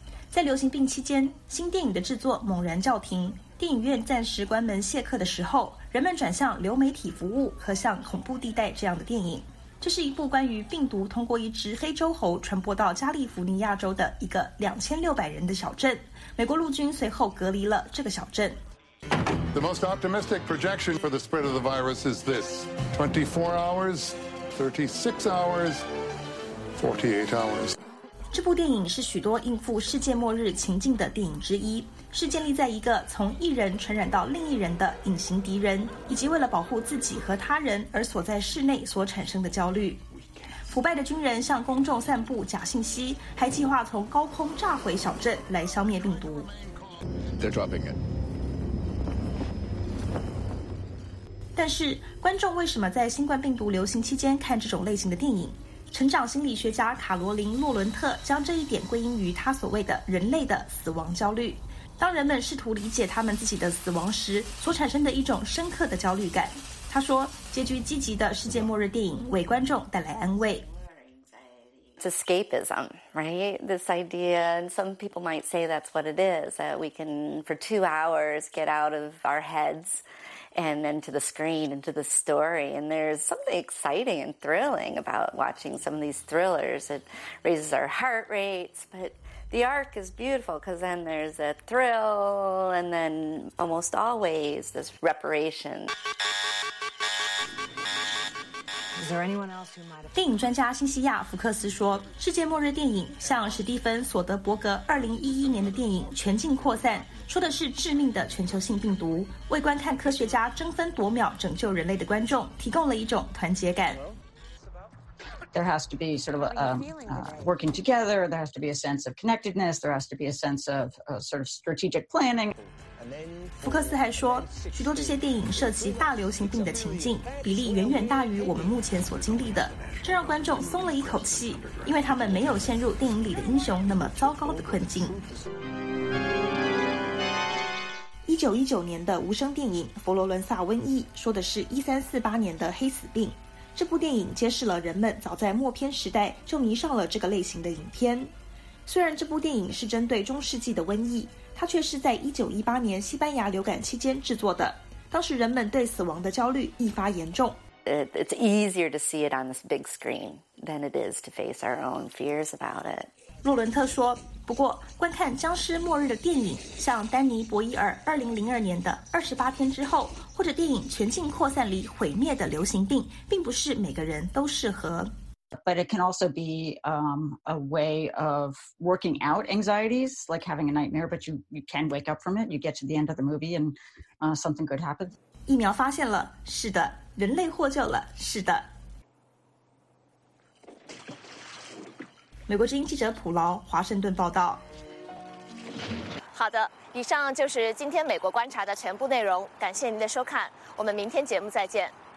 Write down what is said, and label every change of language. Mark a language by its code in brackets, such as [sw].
[zh] 在流行病期间，新电影的制作猛然叫停，电影院暂时关门谢客的时候，人们转向流媒体服务和像《恐怖地带》这样的电影。这是一部关于病毒通过一只黑周猴传播到加利福尼亚州的一个2600人的小镇。美国陆军随后隔离了这个小镇。 [en] The most optimistic projection for the spread of the virus is this: 24 hours, 36 hours, 48 hours. [zh] 这部电影是许多应付世界末日情境的电影之一，是建立在一个从一人传染到另一人的隐形敌人，以及为了保护自己和他人而锁在室内所产生的焦虑。腐败的军人向公众散布假信息，还计划从高空炸毁小镇来消灭病毒。 [en] They're dropping it. [zh] 但是观众为什么在新冠病毒流行期间看这种类型的电影？成长心理学家卡罗琳·洛伦特将这一点归因于他所谓的人类的死亡焦虑，当人们试图理解他们自己的死亡时所产生的一种深刻的焦虑感。他说，结局积极的世界末日电影为观众带来安慰。 [en] It's escapism, right? This idea, and some people might say that's what it is, that we can for 2 hours get out of our headsand then to the screen, into the story. And there's something exciting and thrilling about watching some of these thrillers. It raises our heart rates, but the arc is beautiful because then there's a thrill and then almost always this reparation. Is there anyone else who might have... [zh] 电影专家辛西亚·福克斯说，世界末日电影像史蒂芬·索德伯格2011年的电影《全境扩散》，说的是致命的全球性病毒，为观看科学家争分夺秒拯救人类的观众提供了一种团结感。 [en] There has to be sort of a working together. There has to be a sense of connectedness. There has to be a sense of a sort of strategic planning. [zh] 福克斯还说，许多这些电影涉及大流行病的情境，比例远远大于我们目前所经历的，这让观众松了一口气，因为他们没有陷入电影里的英雄那么糟糕的困境。 1919年的无声电影《佛罗伦萨瘟疫》说的是1348年的黑死病。这部电影揭示了人们早在默片时代就迷上了这个类型的影片。虽然这部电影是针对中世纪的瘟疫，它却是在1918年西班牙流感期间制作的。当时人们对死亡的焦虑愈发严重。 [en] It's easier to see it on this big screen than it is to face our own fears about it. [zh] 洛伦特说，不过观看僵尸末日的电影，像丹尼·博伊尔2002年的《28天之后》，或者电影《全境扩散》里毁灭的流行病，并不是每个人都适合。 [en] But it can also be a way of working out anxieties, like having a nightmare, but you can wake up from it. You get to the end of the movie and something good happens. [zh] 疫苗发现了，是的，人类获救了，是的。美国之音记者普劳，华盛顿报道。好的，以上就是今天美国观察的全部内容，感谢您的收看，我们明天节目再见。